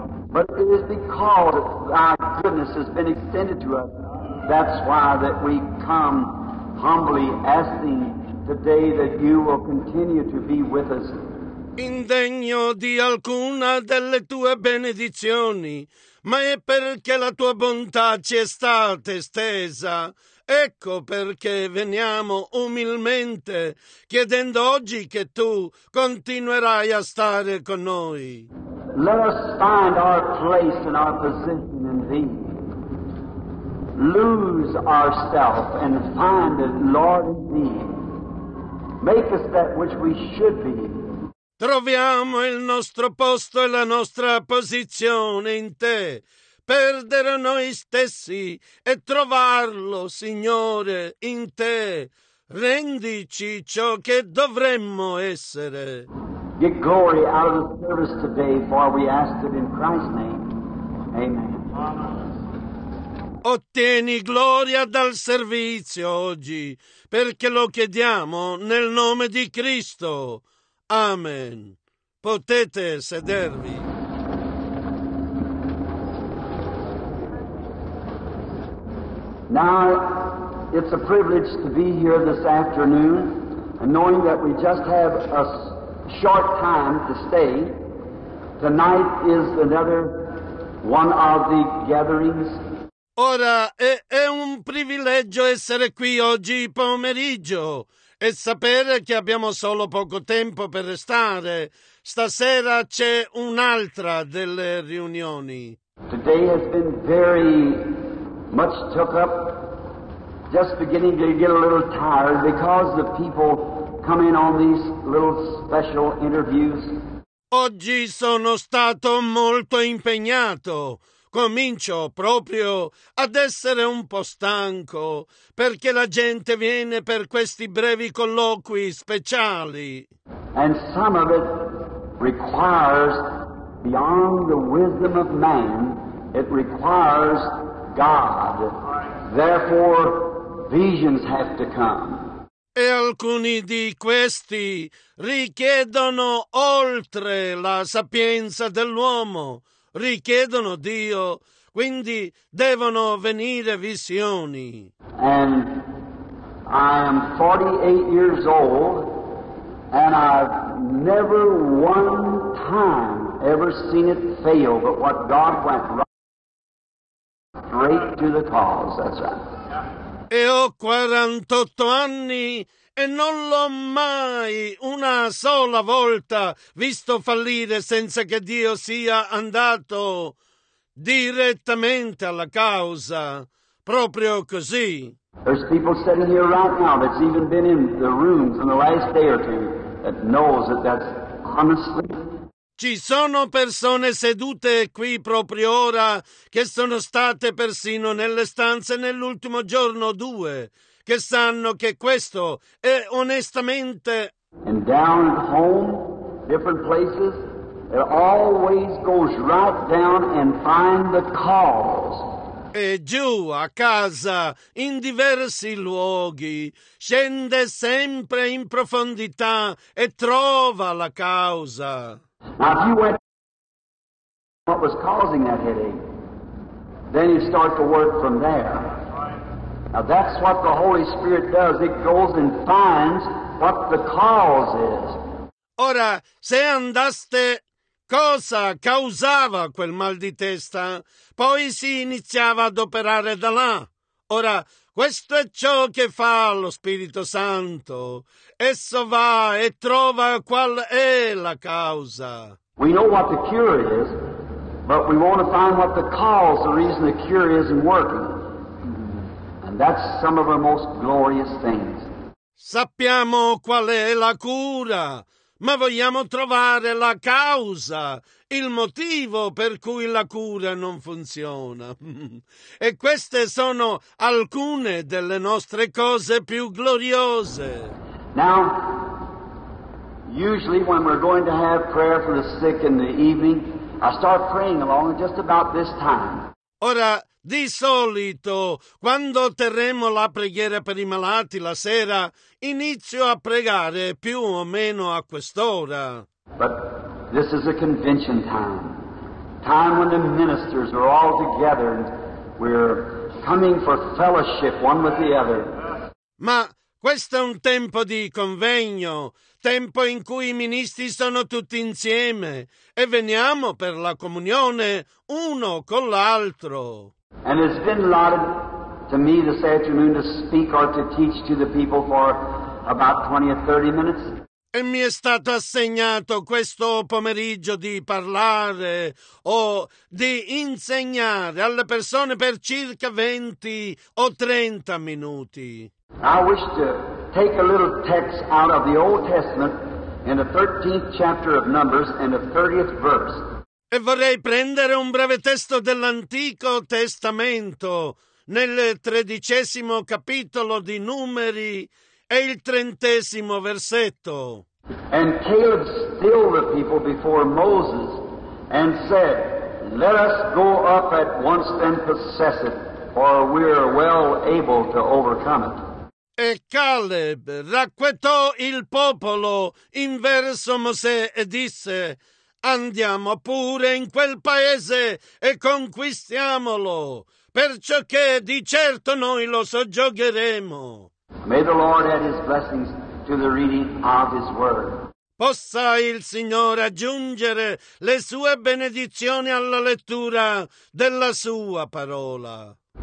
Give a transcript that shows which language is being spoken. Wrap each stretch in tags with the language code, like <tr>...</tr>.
<en>But it is because God's goodness has been extended to us. That's why that we come humbly asking today that you will continue to be with us.</en> <it>Indegno di alcuna delle tue benedizioni, ma è perché la tua bontà ci è stata estesa. Ecco perché veniamo umilmente chiedendo oggi che tu continuerai a stare con noi.</it> <en>Let us find our place and our position in Thee. Lose ourselves and find it, Lord, in Thee. Make us that which we should be.</en> <it>Troviamo il nostro posto e la nostra posizione in Te. Perdere noi stessi e trovarlo, Signore, in Te. Rendici ciò che dovremmo essere.</it> <en>Get glory out of the service today, for we ask it in Christ's name. Amen.</en> <it>Ottieni gloria dal servizio oggi, perché lo chiediamo nel nome di Cristo. Amen. Potete sedervi.</it> <en>Now, it's a privilege to be here this afternoon, and knowing that we just have a short time to stay. Tonight is another one of the gatherings.</en> <it>Ora è un privilegio essere qui oggi pomeriggio e sapere che abbiamo solo poco tempo per restare. Stasera c'è un'altra delle riunioni.</it> <en>Today has been very much took up, just beginning to get a little tired because the people come in on these little special interviews.</en> <it>Oggi sono stato molto impegnato. Comincio proprio ad essere un po' stanco perché la gente viene per questi brevi colloqui speciali.</it> <en>And some of it requires beyond the wisdom of man, it requires God. Therefore, visions have to come.</en> <it>E alcuni di questi richiedono oltre la sapienza dell'uomo, richiedono Dio, quindi devono venire visioni.</it> <en>And I am 48 years old and I've never one time ever seen it fail, but what God went right to the cause, that's right.</en> <it>E ho 48 anni e non l'ho mai una sola volta visto fallire senza che Dio sia andato direttamente alla causa. Proprio così.</it> <en>There's people sitting here right now that's even been in the rooms in the last day or two that knows that that's honestly.</en> <it>Ci sono persone sedute qui proprio ora che sono state persino nelle stanze nell'ultimo giorno o due, che sanno che questo è onestamente.</it> <en>And down at home, different places, it always goes right down and find the cause.</en> <it>E giù, a casa, in diversi luoghi, scende sempre in profondità e trova la causa.</it> <en>Now, if you went to what was causing that headache, then you start to work from there. Now, that's what the Holy Spirit does. It goes and finds what the cause is.</en> <it>Ora, se andaste, cosa causava quel mal di testa? Poi si iniziava ad operare da là. Ora, Questo è ciò che fa lo Spirito Santo. Esso va e trova qual è la causa.</it> <en>We know what the cure is, but we want to find what the cause, the reason the cure isn't working. And that's some of our most glorious things.</en> <it>Sappiamo qual è la cura, ma vogliamo trovare la causa, il motivo per cui la cura non funziona. E queste sono alcune delle nostre cose più gloriose.</it> <en>Now, usually when we're going to have prayer for the sick in the evening, I start praying along just about this time.</en> <it>Ora, di solito, quando terremo la preghiera per i malati la sera, inizio a pregare più o meno a quest'ora.</it> <en>But this is a convention time. Time when the ministers are all together and we're coming for fellowship one with the other.</en> <it>Ma questo è un tempo di convegno, tempo in cui i ministri sono tutti insieme e veniamo per la comunione uno con l'altro.</it> <en>And it's been allotted to me this afternoon to speak or to teach to the people for about 20 or 30 minutes.</en> <it>E mi è stato assegnato questo pomeriggio di parlare o di insegnare alle persone per circa 20 o 30 minuti.</it> <en>I wish to take a little text out of the Old Testament in the 13th chapter of Numbers and the 30th verse.</en> <it>E vorrei prendere un breve testo dell'Antico Testamento nel 13° capitolo di Numeri e il 30° versetto.</it> <en>And Caleb stilled the people before Moses and said, "Let us go up at once and possess it, for we are well able to overcome it."</en> <it>E Caleb racquetò il popolo in verso Mosè e disse, "Andiamo pure in quel paese e conquistiamolo, perciò che di certo noi lo soggiogheremo."</it> <en>May the Lord add his blessings to the reading of his word.</en> <it>Possa il Signore aggiungere le sue benedizioni alla lettura della sua parola.</it>